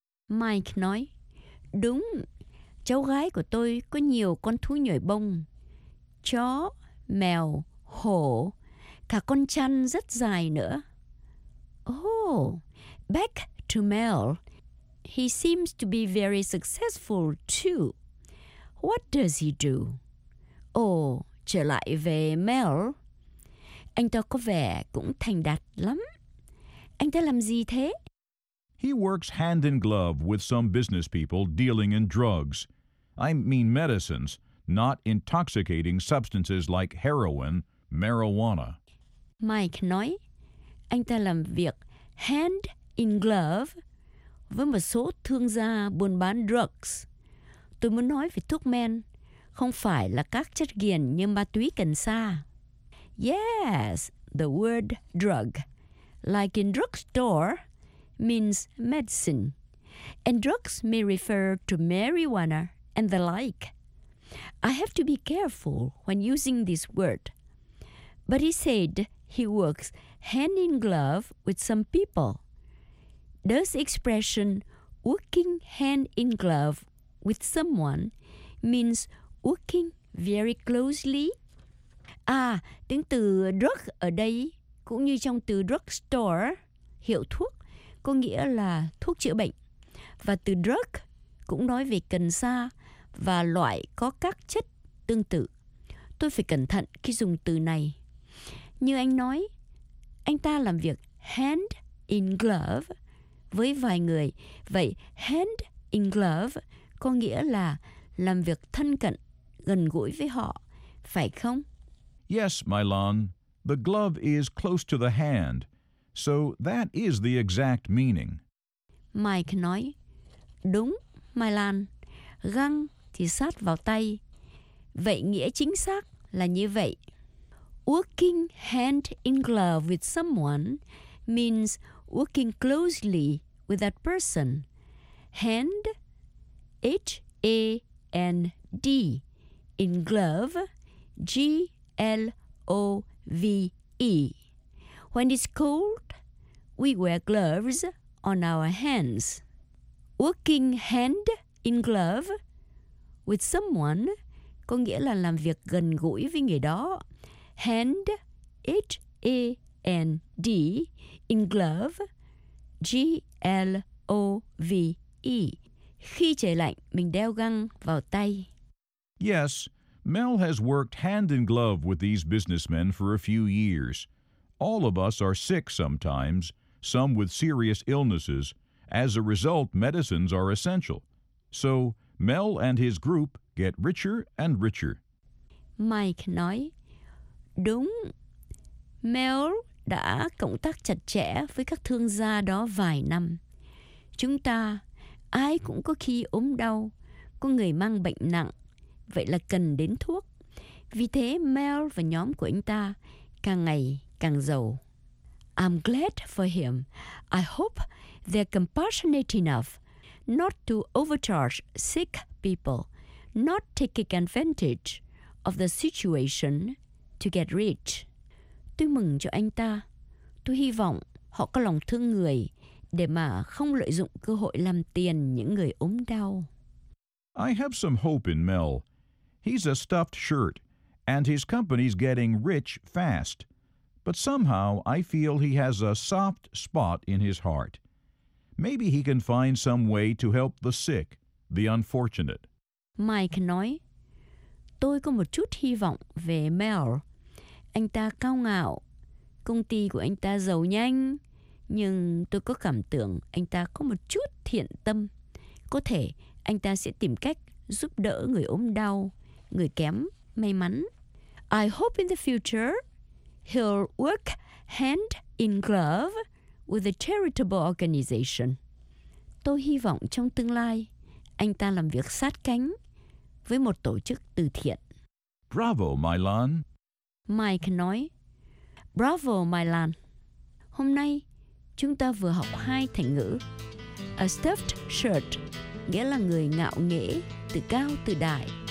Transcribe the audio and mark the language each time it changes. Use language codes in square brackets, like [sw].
[vi] Mike nói, đúng, cháu gái của tôi có nhiều con thú nhồi bông. Chó, mèo, hổ, cả con chăn rất dài nữa. [en] Oh, back to Mel. He seems to be very successful too. What does he do? [vi] Oh, trở lại về Mel. Anh ta có vẻ cũng thành đạt lắm. Anh ta làm gì thế? [en] He works hand in glove with some business people dealing in drugs. I mean medicines, not intoxicating substances like heroin, marijuana. [vi] Mike nói, anh ta làm việc hand in glove với một số thương gia buôn bán drugs. Tôi muốn nói về thuốc men, không phải là các chất nghiện như ma túy cần sa. [en] Yes, the word drug, like in drugstore, means medicine. And drugs may refer to marijuana and the like. I have to be careful when using this word. But he said he works hand in glove with some people. Does the expression working hand in glove with someone means working very closely? [vi] À, tiếng từ drug ở đây cũng như trong từ drugstore, hiệu thuốc, có nghĩa là thuốc chữa bệnh. Và từ drug cũng nói về cần sa và loại có các chất tương tự. Tôi phải cẩn thận khi dùng từ này. Như anh nói, anh ta làm việc hand in glove với vài người. Vậy hand in glove có nghĩa là làm việc thân cận, gần gũi với họ, phải không? [en] Yes, Milan, the glove is close to the hand. So that is the exact meaning. [vi] Mike nói, đúng, Milan, găng thì sát vào tay. Vậy nghĩa chính xác là như vậy. [en] Working hand in glove with someone means working closely with that person. Hand, H-A-N-D, in glove, G-L-O-V-E. When it's cold, we wear gloves on our hands. Working hand in glove with someone [vi] có nghĩa là làm việc gần gũi với người đó. [en] Hand, H-A-N-D, in glove, G-L-O-V-E. [vi] Khi trời lạnh, mình đeo găng vào tay. [en] Yes, Mel has worked hand in glove with these businessmen for a few years. All of us are sick sometimes, some with serious illnesses. As a result, medicines are essential. So, Mel and his group get richer and richer. [vi] Mike nói, đúng, Mel đã cộng tác chặt chẽ với các thương gia đó vài năm. Chúng ta, ai cũng có khi ốm đau, có người mang bệnh nặng, vậy là cần đến thuốc. Vì thế, Mel và nhóm của anh ta càng ngày càng giàu. [en] I'm glad for him. I hope they're compassionate enough not to overcharge sick people, not taking advantage of the situation to get rich. [vi] Tôi mừng cho anh ta. Tôi hy vọng họ có lòng thương người để mà không lợi dụng cơ hội làm tiền những người ốm đau. [en] I have some hope in Mel. He's a stuffed shirt, and his company's getting rich fast. But somehow, I feel he has a soft spot in his heart. Maybe he can find some way to help the sick, the unfortunate. [vi] Mike nói, tôi có một chút hy vọng về Mel. Anh ta cao ngạo, công ty của anh ta giàu nhanh, nhưng tôi có cảm tưởng anh ta có một chút thiện tâm. Có thể anh ta sẽ tìm cách giúp đỡ người ốm đau, người kém, may mắn. [en] I hope in the future he'll work hand in glove with a charitable organization. [vi] Tôi hy vọng trong tương lai, anh ta làm việc sát cánh với một tổ chức từ thiện. [en] Bravo, Milan. [vi] Mike nói, Bravo, Milan. Hôm nay, chúng ta vừa học hai thành ngữ. A stuffed shirt, nghĩa là người ngạo nghễ, tự cao, tự đại.